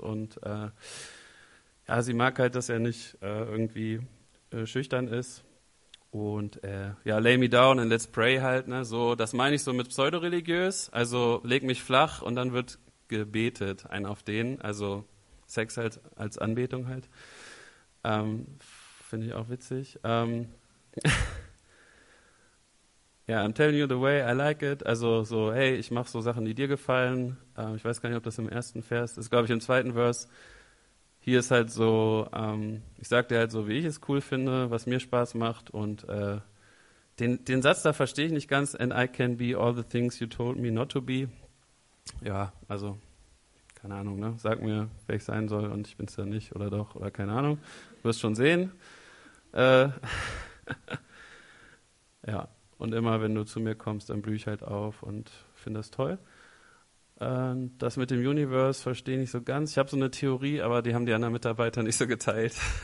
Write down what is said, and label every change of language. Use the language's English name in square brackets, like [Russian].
[German] Und sie mag halt, dass er nicht irgendwie schüchtern ist. Und [English] lay me down and let's pray [German] halt. Ne? So, das meine ich so mit pseudoreligiös. Also leg mich flach und dann wird gebetet, ein auf den, also Sex halt als Anbetung halt. Finde ich auch witzig. [English] I'm telling you the way I like it. [German] Also so, hey, ich mache so Sachen, die dir gefallen. Ich weiß gar nicht, ob das im ersten Vers ist. Ist, glaube ich, im zweiten Vers. Hier ist halt so, ich sag dir halt so, wie ich es cool finde, was mir Spaß macht. Und den Satz da verstehe ich nicht ganz. [English] And I can be all the things you told me not to be. [German] Ja, also, keine Ahnung, ne? Sag mir, wer ich sein soll und ich bin es ja nicht oder doch oder keine Ahnung. Du wirst schon sehen. und immer wenn du zu mir kommst, dann blühe ich halt auf und finde das toll. Das mit dem Universe verstehe ich nicht so ganz. Ich habe so eine Theorie, aber die haben die anderen Mitarbeiter nicht so geteilt.